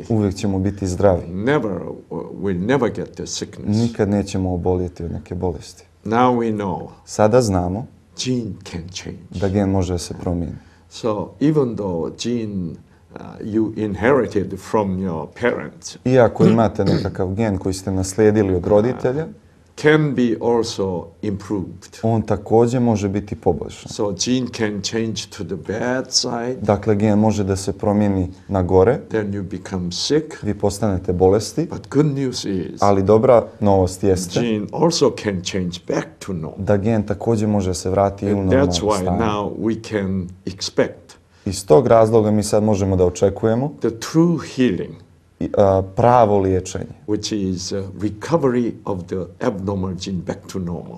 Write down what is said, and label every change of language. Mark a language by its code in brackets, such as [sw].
[bs] Uvijek ćemo biti zdravi. [en] Never, we'll never get the sickness. [bs] Nikad nećemo oboljeti od neke bolesti. [en] Now we know. [bs] Sada znamo. [en] Gene can change. [bs] Da gen može se promijeni. [en] So even though gene you inherited from your parents. [bs] Iako imate nekakav gen koji ste naslijedili od roditelja. [en] Can be also improved. [bs] On također može biti poboljšan. [en] So gene can change to the bad side. [bs] Dakle, gen može da se promijeni na gore. [en] Then you become sick. [bs] Vi postanete bolesti. [en] But good news is. [bs] Ali dobra novost jeste. [en] Gene also can change back to normal. [bs] Da gen također može se vratiti u normalno stanje. [en] And that's why now we can expect. [bs] Iz tog razloga mi sad možemo da očekujemo. [en] The true healing. [bs] Pravo liječenje. [en] Which is recovery of the abnormal gene back to normal.